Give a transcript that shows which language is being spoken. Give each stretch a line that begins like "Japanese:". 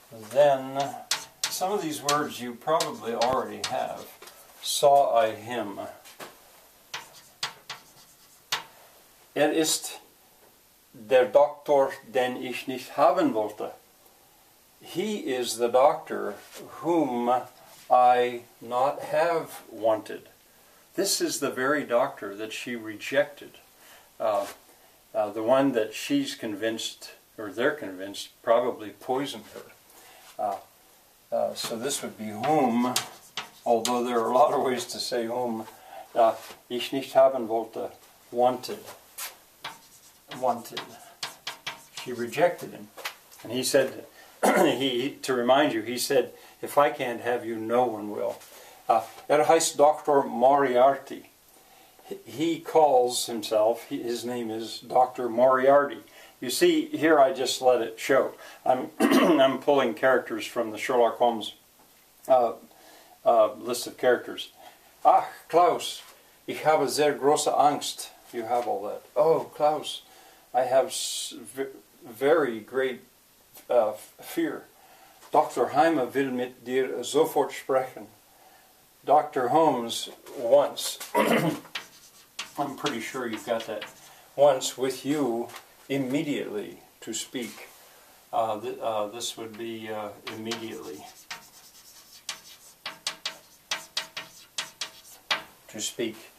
English: Then, some of these words you probably already have. Saw I him.
German: Ist der Doktor, den ich nicht haben wollte.
English: He is the doctor whom I not have wanted. This is the very doctor that she rejected. The one that she's convinced, or they're convinced, probably poisoned her. So this would be whom, although there are a lot of ways to say whom,
German: ich nicht haben wollte,
English: wanted. She rejected him. And he said, he said, if I can't have you, no one will.
German: Heißt
English: Dr. Moriarty. He calls himself, his name is Dr. Moriarty. You see, here I just let it show. I'm pulling characters from the Sherlock Holmes list of characters.
German: Ach, Klaus, ich habe sehr große Angst.
English: You have all that. Oh, Klaus, I have very great fear.
German: Dr. Heimer will mit dir sofort sprechen.
English: Dr. Holmes wants... I'm pretty sure you've got that. Once with you, immediately to speak. This would be immediately to speak.